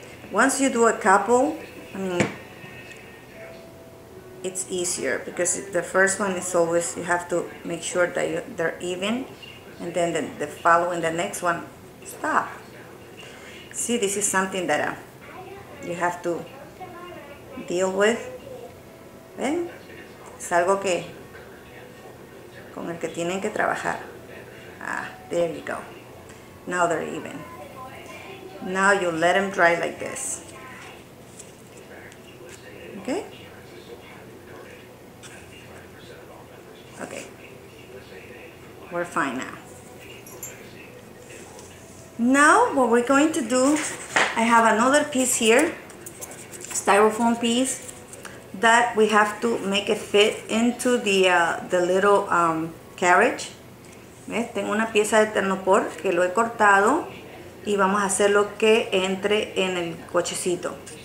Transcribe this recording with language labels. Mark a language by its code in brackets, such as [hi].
[en] Once you do a couple, it's easier, because the first one is always, you have to make sure that they're even, and then the following, the next one, stop. See, this is something that you have to deal with. [es] Ven? Es algo que con el que tienen que trabajar. [en] Ah, there you go. Now they're even. Now you let them dry like this. Okay? Okay. We're fine now. Now what we're going to do, I have another piece here, styrofoam piece, that we have to make it fit into the little carriage. [es] ¿Ves? Tengo una pieza de ternopor que lo he cortado, y vamos a hacer lo que entre en el cochecito.